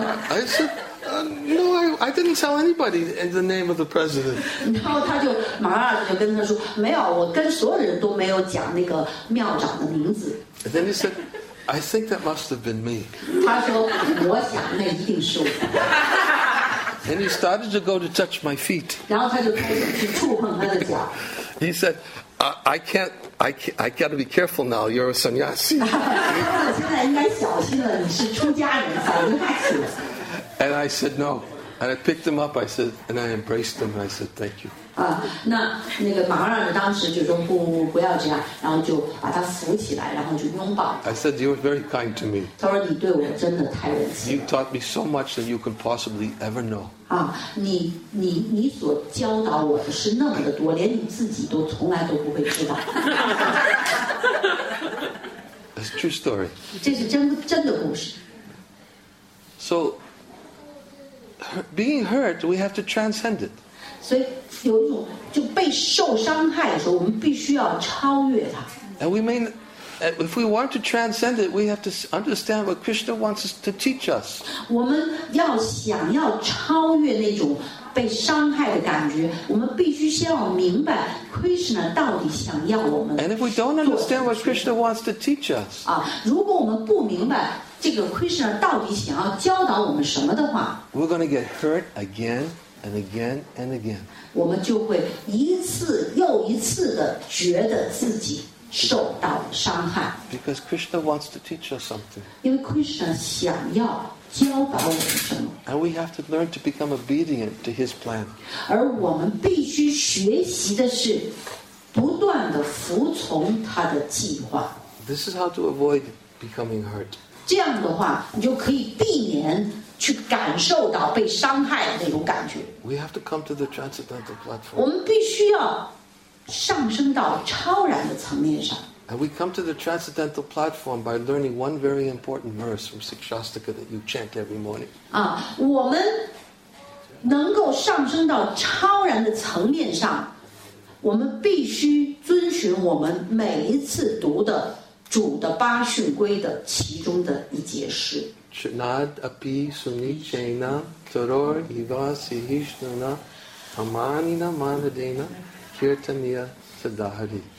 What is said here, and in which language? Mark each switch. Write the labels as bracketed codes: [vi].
[en] I said, "No, I didn't tell anybody in the name of the president." [zh] 然后他就马尔就跟他说，没有，我跟所有人都没有讲那个庙长的名字。 [en] And then he said, "I think that must have been me." [zh] 他说，我想那一定是我。 [en] And he started to go to touch my feet. [zh] 然后他就开始去触碰他的脚。 [en] He said, I gotta be careful now. You're a sannyasi. [zh] 现在应该小心了，你是出家人，小心点。 [en] And I said no. And I picked him up. I said, and I embraced him. And I said, thank you. [zh] 那个马尔当时就说不要这样，然后就把他扶起来，然后就拥抱。 [en] I said, you were very kind to me. [zh] 他说你对我真的太仁慈。 [en] You taught me so much that you can possibly ever know. [zh] 你所教导我的是那么的多，连你自己都从来都不会知道。 [en] That's a true story. [zh] 这是真的故事。 [en] So. Being hurt, we have to transcend it. [zh] 所以有一种就被受伤害的时候，我们必须要超越它。 [en] And we may, if we want to transcend it, we have to understand what Krishna wants us to teach us. [zh] 我们要想要超越那种被伤害的感觉，我们必须先要明白 Krishna 到底想要我们。 [en] And if we don't understand what Krishna wants to teach us, [zh] 啊，如果我们不明白。这个 Krishna 到底想要教导我们什么的话 [en] ？We're going to get hurt again and again and again. [zh] 我们就会一次又一次的觉得自己受到伤害。 [en] Because Krishna wants to teach us something. [zh] 因为 Krishna 想要教导我们什么 [en] ？And we have to learn to become obedient to His plan. [zh] 而我们必须学习的是不断的服从他的计划。 [en] This is how to avoid becoming hurt. [zh] 这样的话，你就可以避免去感受到被伤害的那种感觉。 [en] We have to come to the transcendental platform. [zh] 我们必须要上升到超然的层面上。 [en] And we come to the transcendental platform by learning one very important verse from Sikshastika that you chant every morning. [zh] 啊，我们能够上升到超然的层面上，我们必须遵循我们每一次读的。主的八训规的其中的一节诗。 [sa] Chinad api sunichena toror ivasi hishnuna amanina manadena kirtaniya sadhari.